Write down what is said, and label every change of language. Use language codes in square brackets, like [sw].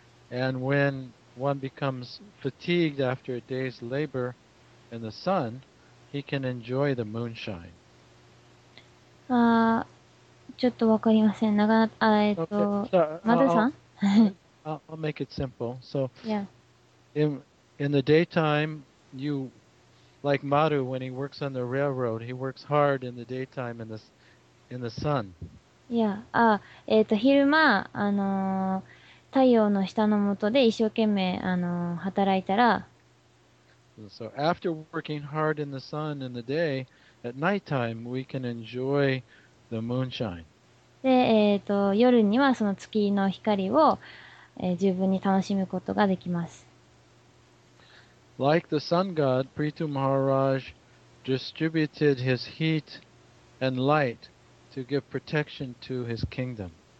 [en] And when one becomes fatigued after a day's labor in the sun, he can enjoy the moonshine. [ja] ああ、ちょっとわかりません。長な、あ、 [en] okay. [ja] マダさん [en] I'll make it simple. So, yeah. In the daytime, you, like Maru, when he works on the railroad, he works hard in the daytime in the sun. Yeah. [ja] あ、昼間、太陽の下の下で一生懸命、働いたら。 [en] So after working hard in the sun in the day, at nighttime, we can enjoy the moonshine. [ja] で、夜にはその月の光を、十分に楽しむことができます。 [en] Like the sun god, Prithu Maharaj distributed his heat and light to give protection to his kingdom.